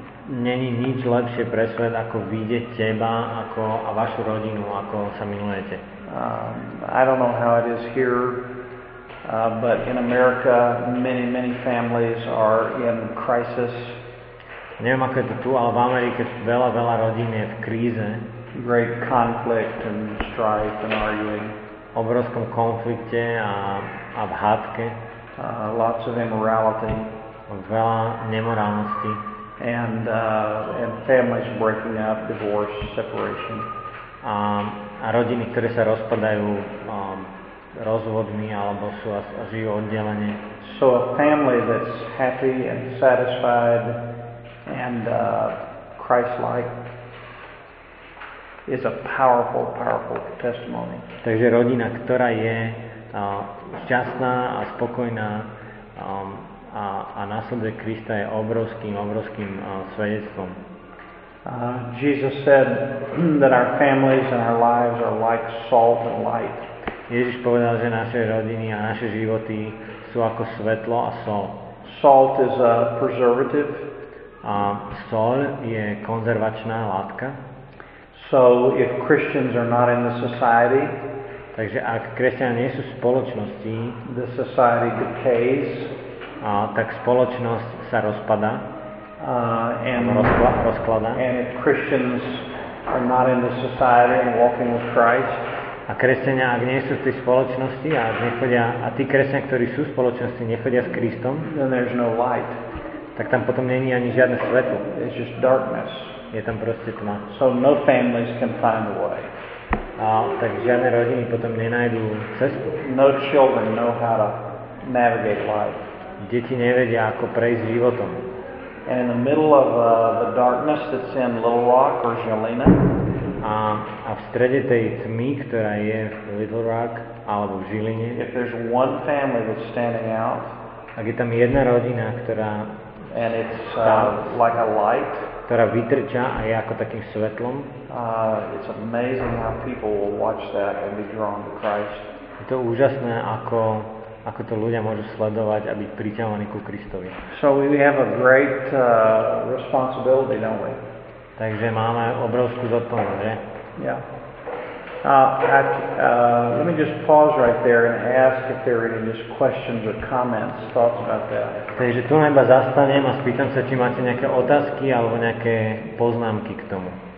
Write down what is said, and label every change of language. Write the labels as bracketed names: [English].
[Slovak] Není nič lepšie pre svet, ako vidieť teba ako, a vašu rodinu, ako sa milujete. [English] I don't know how it is here, but in America many, many families are in crisis. [Slovak] Neviem, ako je to tu, ale v Amerike veľa, veľa rodín je v kríze. [English] Great conflict and strife and arguing. [Slovak] V obrovskom konflikte a v hádke. [English] Lots of immorality. [Slovak] Veľa nemorálnosti. [English] And families breaking up, divorce, separation. [Slovak] A rodiny, ktoré sa rozpadajú rozvodmi alebo sú a žijú oddelenie. [English] So a family that's happy and satisfied and Christ-like is a powerful, powerful testimony. [Slovak] Takže rodina, ktorá je šťastná a spokojná a následuje Krista je obrovským, obrovským svedectvom. [English] Jesus said that our families and our lives are like salt and light. [Slovak] Ježiš povedal, že naše rodiny a naše životy sú ako svetlo a sol. [English] Salt is a preservative. [Slovak] A sol je konzervačná látka. [English] So if Christians are not in the society, [Slovak] takže ak kresťania nie sú v spoločnosti, [English] the society decays. [Slovak] A tak spoločnosť sa rozpadá. [English] And if Christians are not in the society and walking with Christ, [Slovak] a kresťania, ak nie sú v tej spoločnosti a nechodia, a tí kresťania, ktorí sú v spoločnosti, nechodia s Kristom, [English] then there's no light. [Slovak] Tak tam potom není ani žiadne svetlo. [English] It's just darkness. [Slovak] Je tam proste tma. [English] So no families can find a way. [Slovak] A tak žiadne rodiny potom nenajdú cestu. [English] No children know how to navigate life. [Slovak] Deti nevedia, ako prejsť životom. [English] And in the middle of the darkness that's in Little Rock or Galena, [Slovak] a v strede tej tmy, ktorá je v Little Rock alebo v Žiline, [English] if there's one family that's standing out, [Slovak] ak je tam jedna rodina, ktorá [English] and it's like a light, [Slovak] ktorá vytrča a je ako takým svetlom, [English] it's amazing how people will watch that and be drawn to Christ. [Slovak] Je to úžasné, ako ako to ľudia môžu sledovať a byť priťahovaní ku Kristovi. [English] So we have a great responsibility, don't we? [Slovak] Takže máme obrovskú zodpovednosť, že? [English] Yeah. Let me just pause right there and ask if there are any just questions or comments, thoughts about that. [Slovak] Takže tu najba zastanem a spýtam sa, či máte nejaké otázky alebo nejaké poznámky k tomu.